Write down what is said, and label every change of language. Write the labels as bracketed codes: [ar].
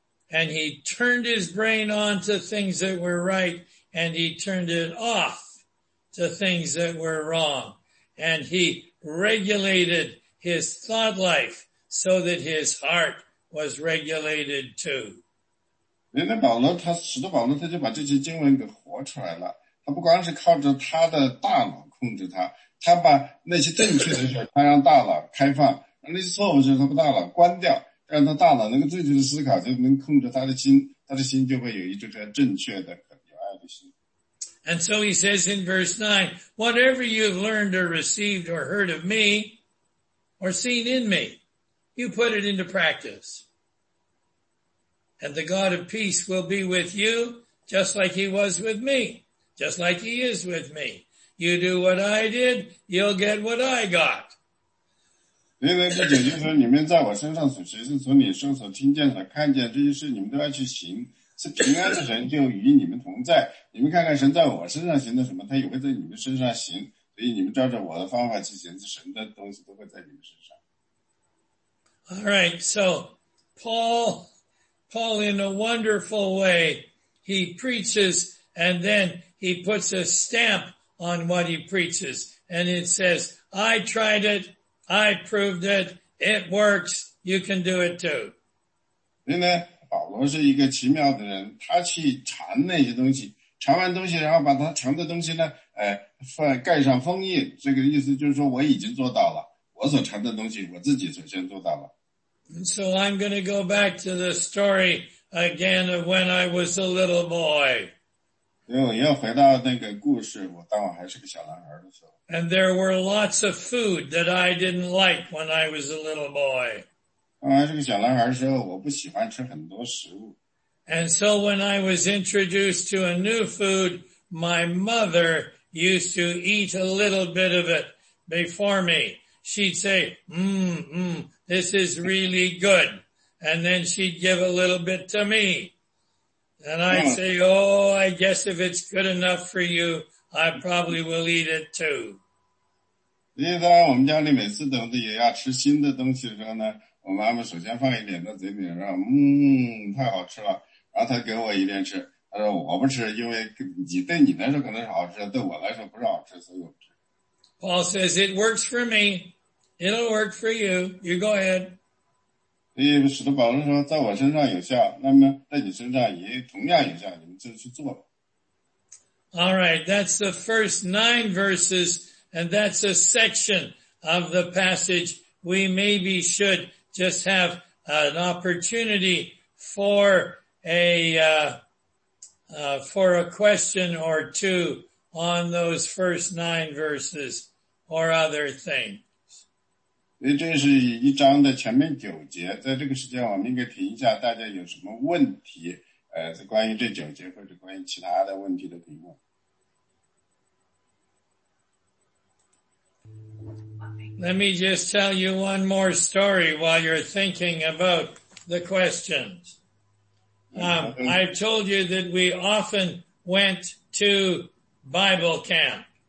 [en] And he turned his brain on to things that were right. And he turned it off to things that were wrong. And he regulated his thought life so that his heart was regulated too. [zh] 原来保罗他使徒保罗他就把这些经文给活出来了，他不光是靠着他的大脑控制他，他把那些正确的事他让大脑开放，让那些错误事他把大脑关掉，让他大脑能够正确的思考，就能控制他的心，他的心就会有一种正确的有爱的心。 [en] And so he says in verse 9, whatever you've learned or received or heard of me or seen in me, you put it into practice. And the God of peace will be with you, just like he was with me, just like he is with me. You do what I did, you'll get what I got. [zh] 因为这就是说，你们在我身上所学习、所领受、所听见、所看见这些事，你们都要去行。是平安的神就与你们同在。你们看看神在我身上行的什么，他也会在你们身上行。所以你们照着我的方法去行，神的东西都会在你们身上。 [en] All right, so Paul. Paul, in a wonderful way, he preaches and then he puts a stamp on what he preaches. And it says, I tried it, I proved it, it works, you can do it too. [zh] 因为保罗是一个奇妙的人，他去缠那些东西，缠完东西然后把他缠的东西呢盖上封印，这个意思就是说我已经做到了，我所缠的东西我自己首先做到了。 [en] And so I'm going to go back to the story again of when I was a little boy. [zh] 因为我要回到那个故事，我当我还是个小男孩的时候。 [en] And there were lots of food that I didn't like when I was a little boy. [zh] 当我还是个小男孩的时候，我不喜欢吃很多食物。 [en] And so when I was introduced to a new food, my mother used to eat a little bit of it before me. She'd say, This is really good. And then she'd give a little bit to me. And I'd say, oh, I guess if it's good enough for you, I probably will eat it too. [zh] 因为在我们家里每次等着也要吃新的东西的时候呢，我妈妈首先放一点到嘴里，然后太好吃了。然后她给我一点吃，她说我不吃，因为你对你来说可能是好吃，对我来说不是好吃，所以我不吃。 [en] Paul says, it works for me. It'll work for you. You go ahead. [zh] 使徒保罗说, 在我身上有效, 那么在你身上也同样有效, 你们就去做。 [en] All right, that's the first nine verses, and that's a section of the passage. We maybe should just have an opportunity for a question or two on those first nine verses or other things. [zh] 这是一章的前面九节, 在这个时间我们应该停一下, 大家有什么问题, 关于这九节, 或者关于其他的问题的评论。 [en] Let me just tell you one more story while you're thinking about the questions. I've told you that we often went to Bible camp.